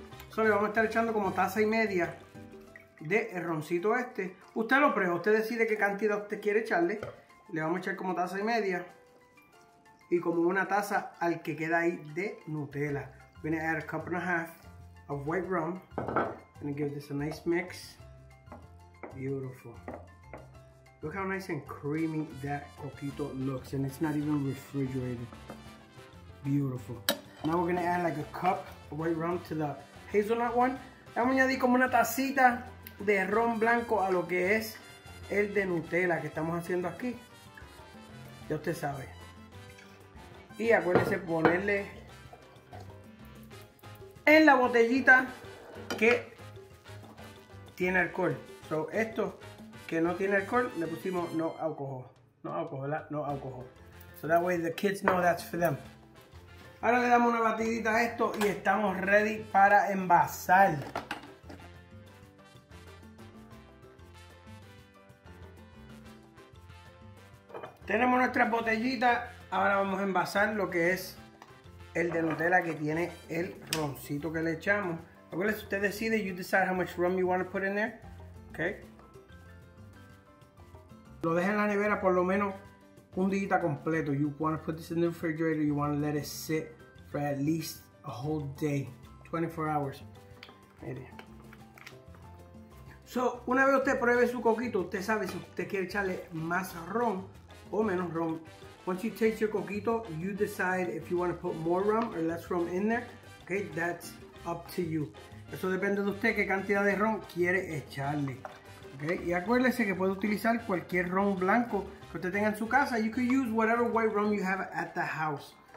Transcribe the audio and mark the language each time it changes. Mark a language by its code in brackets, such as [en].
[es] Solo le vamos a estar echando como taza y media de el roncito este. Usted lo prueba, usted decide qué cantidad usted quiere echarle. Le vamos a echar como taza y media y como una taza al que queda ahí de Nutella. Voy a echar [en] 1 1/2 cups of white rum. Gonna give this a nice mix. Beautiful. Look how nice and creamy that coquito looks, and it's not even refrigerated. Beautiful. Now we're gonna add like a cup of white rum to the hazelnut one. [es] Vamos a añadir como una tacita de ron blanco a lo que es el de Nutella que estamos haciendo aquí. Ya usted sabe. Y acuérdese ponerle en la botellita que tiene alcohol. So, esto que no tiene alcohol, le pusimos no alcohol. No alcohol, no alcohol. [en] So that way the kids know that's for them. [es] Ahora le damos una batidita a esto y estamos ready para envasar. Tenemos nuestras botellitas, ahora vamos a envasar lo que es el de Nutella que tiene el roncito que le echamos. Acuérdense, usted decide, [en] you decide how much rum you want to put in there, okay. [es] Lo deja en la nevera por lo menos un día completo. [en] You want to put this in the refrigerator, you want to let it sit for at least a whole day, 24 hours. Maybe. [es] So, una vez usted pruebe su coquito, usted sabe si usted quiere echarle más rum o menos rum. [en] Once you taste your coquito, you decide if you want to put more rum or less rum in there. Okay, that's up to you. [es] Eso depende de usted qué cantidad de rum quiere echarle. Okay, y acuérdese que puede utilizar cualquier rum blanco que usted tenga en su casa. [en] You can use whatever white rum you have at the house.